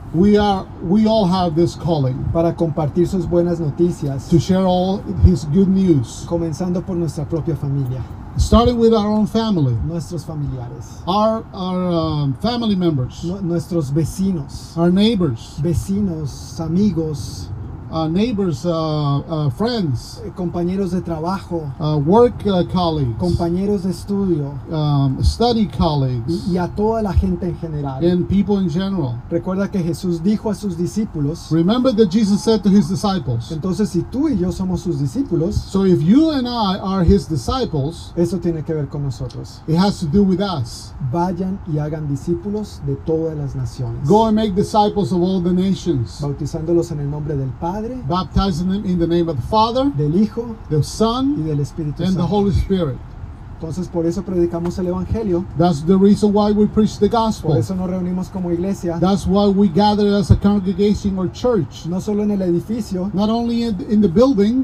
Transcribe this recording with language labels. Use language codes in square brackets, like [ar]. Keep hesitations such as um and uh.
[en] We are, we all have this calling. [es] Para compartir sus buenas noticias. [en] To share all his good news. [es] Comenzando por nuestra propia familia. [en] Starting with our own family. [es] Nuestros familiares. [en] Our, our uh, family members. [es] nuestros vecinos. [en] Our neighbors. [es] Vecinos, amigos. [en] Uh, neighbors, uh, uh, friends, [es] compañeros de trabajo, [en] work colleagues, [es] compañeros de estudio, [en] um, study colleagues, [es] y a toda la gente en general, [en] and people in general. [es] Recuerda que Jesús dijo a sus discípulos. [en] Remember that Jesus said to his disciples. [es] Entonces, si tú y yo somos sus discípulos, [en] so if you and I are his disciples, [es] eso tiene que ver con nosotros. [en] It has to do with us. [es] Vayan y hagan discípulos de todas las naciones. [en] Go and make disciples of all the nations. [es] Bautizándolos en el nombre del Padre. Padre, [en] baptizing them in the name of the Father, [es] del Hijo, [en] the Son, [es] y del Espíritu Santo. and Santo. [en] the Holy Spirit. [es] Entonces, por eso predicamos el Evangelio. [en] That's the reason why we preach the gospel. [es] Por eso nos reunimos como iglesia. [en] That's why we gather as a congregation or church. [es] No solo en el edificio. [en] Not only in, in the building.